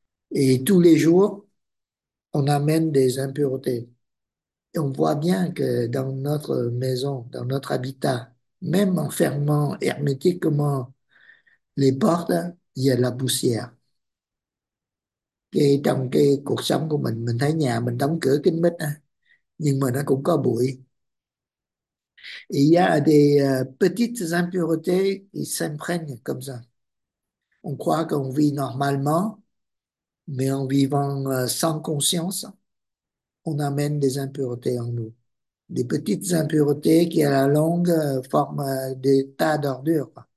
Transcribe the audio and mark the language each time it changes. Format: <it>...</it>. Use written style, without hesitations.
<fr>Et tous les jours, on amène des impuretés. Et on voit bien que dans notre maison, dans notre habitat, même en fermant hermétiquement les portes, il y a de la poussière.</fr> <vi>Et trong cái cuộc sống của mình thấy nhà mình đóng cửa kín mít, nhưng mà nó cũng có bụi.</vi> <fr>Il y a des petites impuretés qui s'imprègnent comme ça. On croit qu'on vit normalement, mais en vivant sans conscience, on amène des impuretés en nous. Des petites impuretés qui, à la longue, forment des tas d'ordures.</fr>